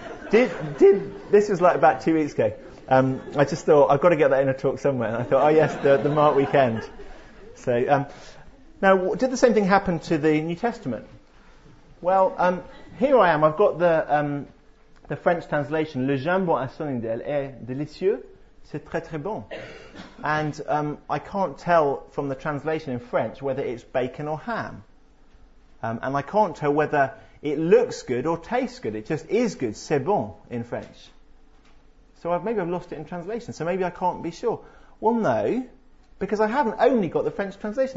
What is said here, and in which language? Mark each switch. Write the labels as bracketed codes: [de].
[en] This was like about 2 weeks ago. I just thought, I've got to get that in a talk somewhere. And I thought, oh yes, the Mark weekend. So, now, did the same thing happen to the New Testament? Well, here I am. I've got the French translation. [fr] Le jambon à Sonnendel est délicieux. C'est très très bon. [en] And I can't tell from the translation in French whether it's bacon or ham. And I can't tell whether it looks good or tastes good. It just is good. [fr] C'est bon [en] in French. So maybe I've lost it in translation. So maybe I can't be sure. Well, no, because I haven't only got the French translation.